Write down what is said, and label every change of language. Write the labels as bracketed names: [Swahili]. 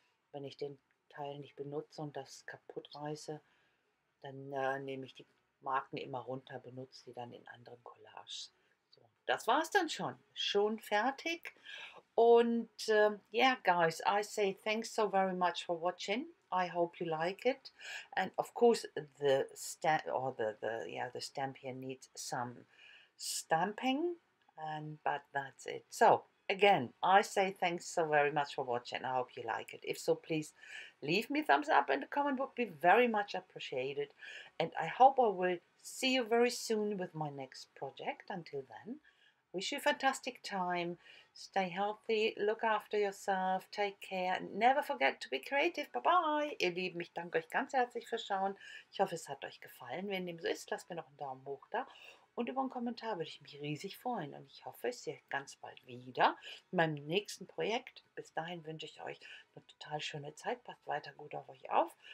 [German] Wenn ich den Teil nicht benutze und das kaputt reiße, dann nehme ich die Marken immer runter, benutze die dann in anderen Collages. So, das war es dann schon. Schon fertig. [English] Und yeah, guys, I say thanks so very much for watching. I hope you like it. And of course, the stamp here needs some stamping. But that's it. So, again, I say thanks so very much for watching. I hope you like it. If so, please leave me a thumbs up and a comment would be very much appreciated. And I hope I will see you very soon with my next project. Until then, wish you a fantastic time. Stay healthy, look after yourself, take care. Never forget to be creative. Bye-bye. [German] Ihr Lieben, ich danke euch ganz herzlich fürs Schauen. Ich hoffe, es hat euch gefallen. Wenn dem so ist, lasst mir noch einen Daumen hoch da. Und über einen Kommentar würde ich mich riesig freuen. Und ich hoffe, ich sehe euch ganz bald wieder in meinem nächsten Projekt. Bis dahin wünsche ich euch eine total schöne Zeit. Passt weiter gut auf euch auf.